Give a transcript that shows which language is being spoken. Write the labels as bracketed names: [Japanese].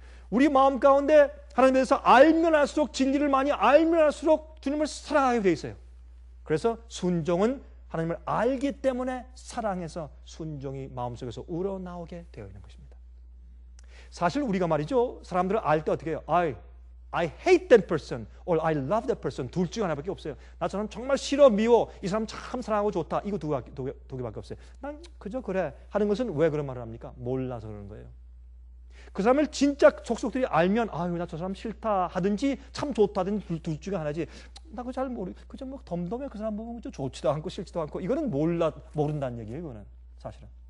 [Korean] 우리 마음 가운데 하나님에 대해서 알면 할수록 진리를 많이 알면 할수록 주님을 사랑하게 되어 있어요. 그래서 순종은 하나님을 알기 때문에 사랑해서 순종이 마음속에서 우러나오게 되어 있는 것입니다. 사실 우리가 말이죠. 사람들을 알 때 어떻게 해요? [English] I hate that person or I love that person. [Korean] 둘 중 하나밖에 없어요. 나처럼 정말 싫어, 미워. 이 사람 참 사랑하고 좋다. 이거 두 개밖에 없어요. 난 그저 그래 하는 것은 왜 그런 말을 합니까? 몰라서 그러는 거예요. 그 사람을 진짜 속속들이 알면 아유 나 저 사람 싫다 하든지 참 좋다 하든지 둘 중에 하나지. 나 그거 잘 모르. 그저 뭐 덤덤해 그 사람 보면 좋지도 않고 싫지도 않고 이거는 모른다는 얘기예요. 이거는 사실은.